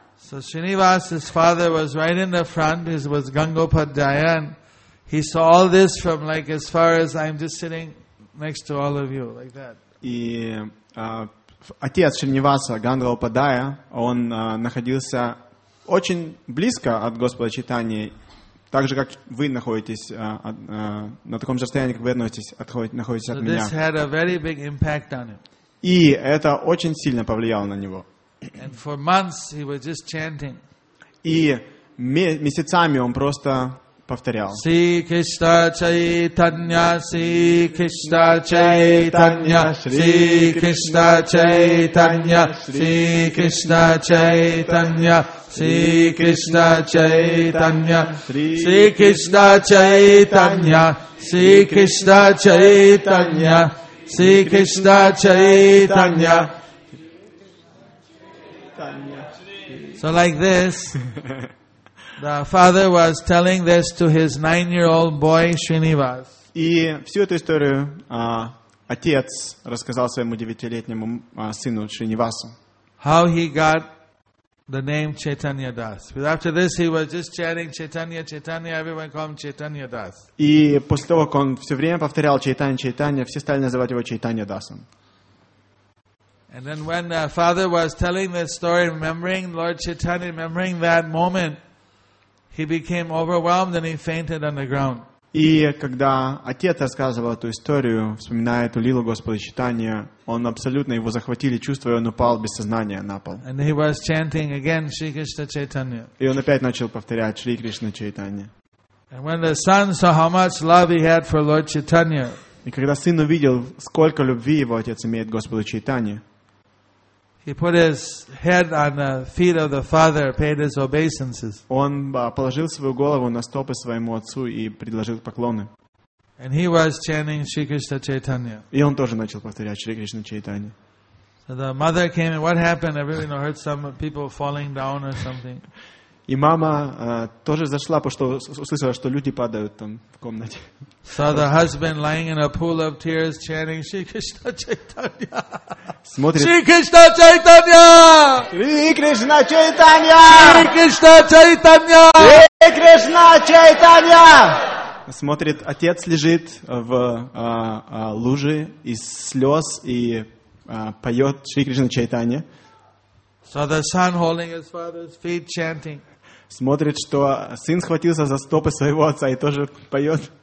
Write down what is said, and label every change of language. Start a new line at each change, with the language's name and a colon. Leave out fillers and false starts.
English: So Srinivas's father was right in the front. His was Gangopadhyaya. He saw all this from like as far as I'm just sitting next to all of you like that.
Russian: И отец Шринаваса Гангопадая, он находился очень близко от Господа Чайтаньи, так же как вы находитесь на таком же расстоянии, как вы находитесь от меня.
English: So this had a very big impact on him.
Russian: И это очень сильно повлияло на него.
English: And for months he was just chanting.
Russian: И месяцами он просто повторял. Си Кришна Чайтанья, Си Кришна Чайтанья, Си Кришна Чайтанья, Си Кришна Чайтанья, Си Кришна Чайтанья, Си Кришна Чайтанья, Си Кришна Чайтанья, Си Кришна Чайтанья.
English: So like this. The father was telling this to his 9-year-old boy Srinivas.
Russian: И всю эту историю отец рассказал своему 9-летнему сыну Шринивасу.
English: How he got the name Chaitanya Das. But after this he was just chanting Chaitanya, Chaitanya, everyone called him Chaitanya Das.
Russian: И после того, как он все время повторял Чайтанья, Чайтанья, все стали называть его Чайтанья Дасом.
English: And then when the father was telling this story, remembering Lord Chaitanya, remembering that moment, he became overwhelmed and he fainted on the ground.
Russian: И когда отец рассказывал эту историю, вспоминая эту лилу Господа Чайтанья, он абсолютно его захватили чувства, и он упал без сознания на пол.
English: And he was chanting again, Shri Krishna Chaitanya.
Russian: И он опять начал повторять Шри Кришна Чайтанья.
English: And when the son saw how much love he had for Lord Chaitanya,
Russian: и когда сын увидел, сколько любви его отец имеет к Господу Чайтанье,
English: he put his head on the feet of the father, paid his obeisances.
Russian: Он положил свою голову на стопы своему отцу и предложил поклоны.
English: And he was chanting Shri Krishna Chaitanya.
Russian: И он тоже начал повторять Шри Кришна Чайтанья.
English: So the mother came and what happened? Everyone heard some people falling down or something.
Russian: И мама тоже зашла, потому что услышала, что люди падают там в комнате.
English: Saw the husband lying in a pool of tears, chanting Shri Krishna Chaitanya.
Russian: Смотрит.
English: Shri Krishna Chaitanya. Shri Krishna Chaitanya. Shri Krishna Chaitanya. Shri Krishna Chaitanya.
Russian: Смотрит, отец лежит в луже из слез и поет Шри Кришна Чайтанья.
English: Saw the son holding his father's feet, chanting.
Russian: Смотрит, что сын схватился за стопы своего отца и тоже поет.